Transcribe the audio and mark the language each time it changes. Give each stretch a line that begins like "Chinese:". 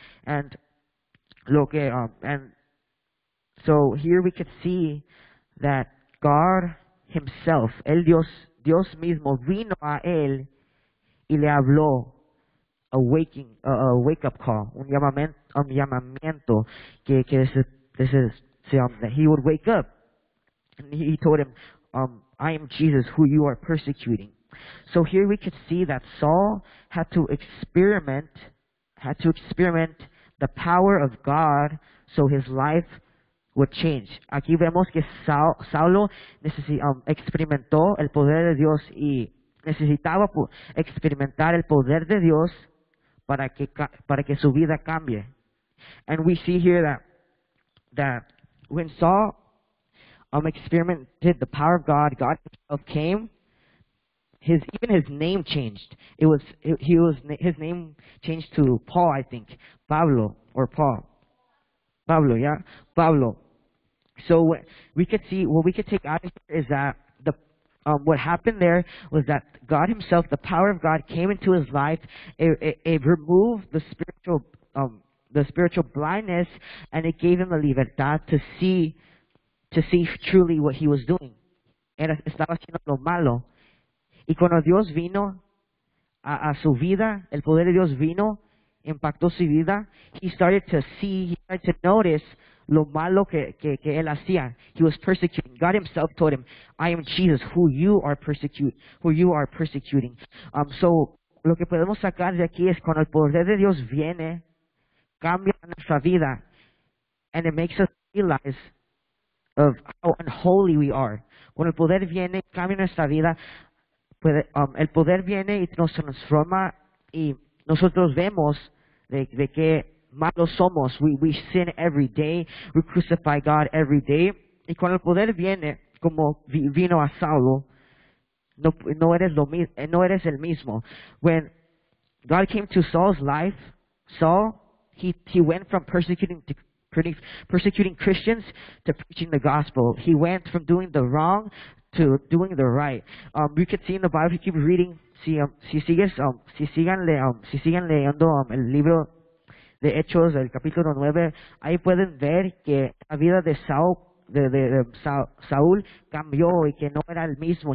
English: And
Spanish: lo que,
English: and so here we could see that God himself,
Spanish: el Dios, Dios mismo vino a él y le habló.
English: A wake up call,
Spanish: un llamamiento
English: that he would wake up. And he told him, I am Jesus who you are persecuting. So here we could see that Saul had to experiment the power of God so his life would change.
Spanish: Aquí vemos que Saulo experimentó el poder de Dios y necesitaba experimentar el poder de Dios para que su vida cambie.
English: And we see here that when Saul experimented the power of God, God himself came. His name changed. His name changed to Paul, I think. Pablo. So what we could take out of here is that what happened there was that God himself, the power of God, came into his life. It removed the spiritual blindness, and it gave him the libertad to see truly what he was doing.
Spanish: Era, estaba haciendo lo malo. Y cuando Dios vino a su vida, el poder de Dios vino, impactó su vida,
English: he started to notice
Spanish: lo malo que él hacía.
English: He was persecuting. God himself told him, I am Jesus who you are persecuting. So
Spanish: lo que podemos sacar de aquí
English: es cuando el poder de Dios viene, cambia nuestra vida, and it makes us realize of how unholy we are.
Spanish: Cuando el poder viene, cambia nuestra vida, el poder viene y nos transforma y nosotros vemos de qué malos somos.
English: We sin every day. We crucify God every day.
Spanish: Y cuando el poder viene, como vino a Saulo, no eres el mismo.
English: When God came to Saul's life, Saul, he went from persecuting Christians to preaching the gospel. He went from doing the wrong to doing the right. You can see in the Bible, if you keep reading,
Spanish: si siguen leyendo el libro de Hechos, el capítulo 9, ahí pueden ver que la vida de Saúl cambió y que no era el mismo.